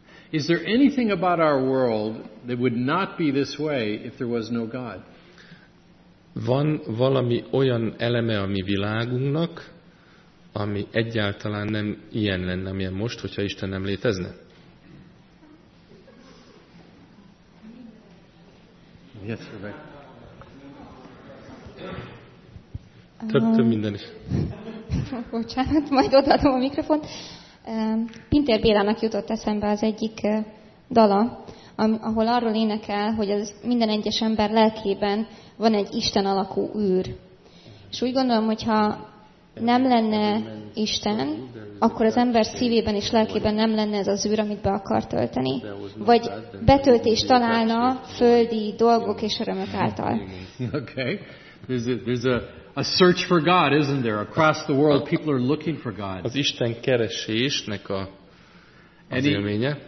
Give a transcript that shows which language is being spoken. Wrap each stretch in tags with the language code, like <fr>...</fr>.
<en>Is there anything about our world that would not be this way if there was no God?</en> <hu>Van valami olyan eleme a mi világunknak, ami egyáltalán nem ilyen lenne, amilyen most, hogyha Isten nem létezne?</hu> <en>Yes,</en> <hu>Több minden is. Bocsánat, majd odaadom a mikrofont. Pintér Bélának jutott eszembe az egyik dala, ahol arról énekel, hogy az minden egyes ember lelkében van egy Isten alakú űr. És úgy gondolom, hogyha nem lenne Isten, akkor az ember szívében és lelkében nem lenne ez az űr, amit be akar tölteni. Vagy betöltést találna földi dolgok és örömök által.</hu> <en>Okay. There's a search for God, isn't there? Across the world, people are looking for God.</en> <hu>Az Isten keresésnek a az élménye.</hu>